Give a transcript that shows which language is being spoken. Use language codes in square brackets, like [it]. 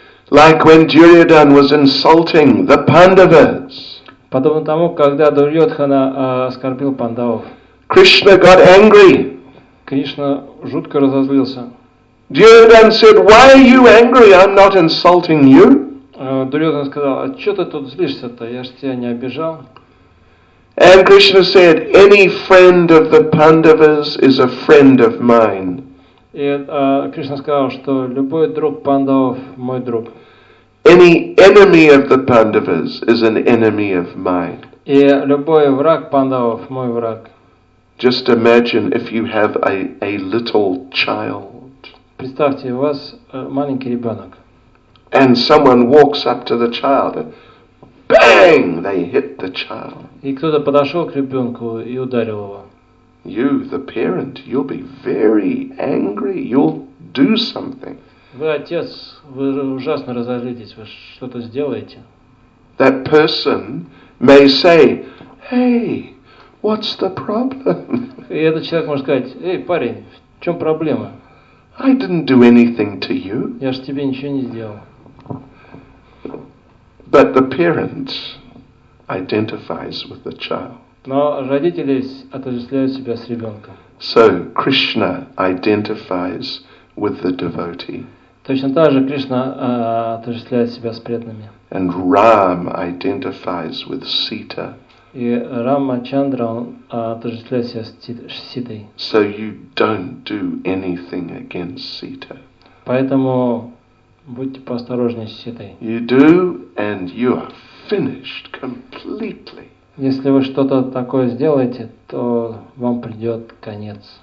[en] Like when Duryodhan was insulting the Pandavas. [ru] Подобно тому, когда Дурьодхана оскорбил пандавов. [en] Krishna got angry. [ru] Кришна жутко разозлился. [en] Duryodhan said, "Why are you angry? I'm not insulting you." [ru] Дурьодхан сказал, "А что ты тут злишься-то? Я ж тебя не обижал." [en] And Krishna said, "Any friend of the Pandavas is a friend of mine." [ru] И Кришна сказал, что любой друг пандавов – мой друг. [en] Any enemy of the Pandavas is an enemy of mine. [ru] И любой враг пандавов – мой враг. [en] Just imagine if you have a little child. [ru] Представьте, у вас маленький ребенок. [en] And someone walks up to the child and bang, they hit the child. [ru] И кто-то подошел к ребенку и ударил его. [en] You, the parent, you'll be very angry. You'll do something. [ru] Вы отец, вы ужасно разозлитесь, вы что-то сделаете. [en] That person may say, "Hey, what's the problem?" [ru] И этот человек может сказать: "Эй, парень, в чем проблема?" [en] I didn't do anything to you. [ru] Я ж тебе ничего не сделал. [en] But the parent identifies with the child. [ru] Но родители отождествляют себя с ребенком. [en] So Krishna identifies with the devotee. [ru] Точно так же Кришна отождествляет себя с преданными. [en] And Ram identifies with Sita. [ru] И Рамачандра отождествляет себя с Ситой. [en] So you don't do anything against Sita. [ru] Поэтому будьте поосторожнее с Ситой. [en] You do and you are finished completely. [ru] Если вы что-то такое сделаете, то вам придет конец.